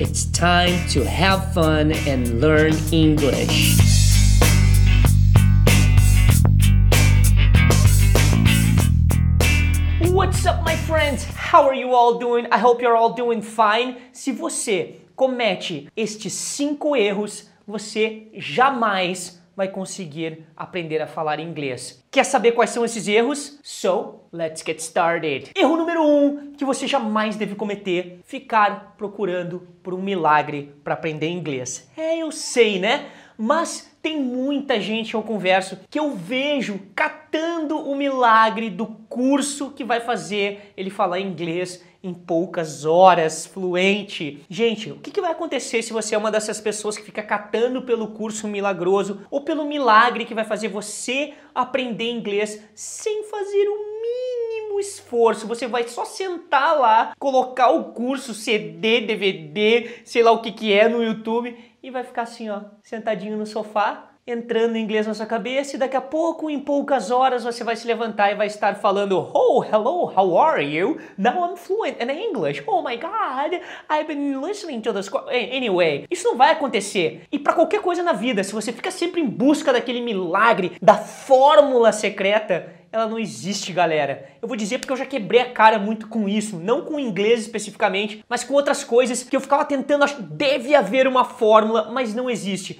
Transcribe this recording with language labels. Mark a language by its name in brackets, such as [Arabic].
[English] It's time to have fun and learn English. What's up, my friends? How are you all doing? I hope you're all doing fine. [Portuguese] Se você comete estes 5 erros, você jamais vai conseguir aprender a falar inglês. Quer saber quais são esses erros? [English] So, let's get started. [Portuguese] Erro número 1 que você jamais deve cometer, ficar procurando por um milagre para aprender inglês. É, eu sei, né? Mas tem muita gente que eu converso que eu vejo catando o milagre do curso que vai fazer ele falar inglês em poucas horas, fluente. Gente, o que vai acontecer se você é uma dessas pessoas que fica catando pelo curso milagroso ou pelo milagre que vai fazer você aprender inglês sem fazer o mínimo esforço? Você vai só sentar lá, colocar o curso CD, DVD, sei lá o que que é no YouTube e vai ficar assim, ó, sentadinho no sofá, entrando em inglês na sua cabeça, e daqui a pouco, em poucas horas, você vai se levantar e vai estar falando, [English] oh, hello, how are you? Now I'm fluent in English. Oh my God, I've been listening to this. [Portuguese] Anyway, isso não vai acontecer. E pra qualquer coisa na vida, se você fica sempre em busca daquele milagre, da fórmula secreta, ela não existe, galera. Eu vou dizer porque eu já quebrei a cara muito com isso, não com inglês especificamente, mas com outras coisas que eu ficava tentando, acho que deve haver uma fórmula, mas não existe.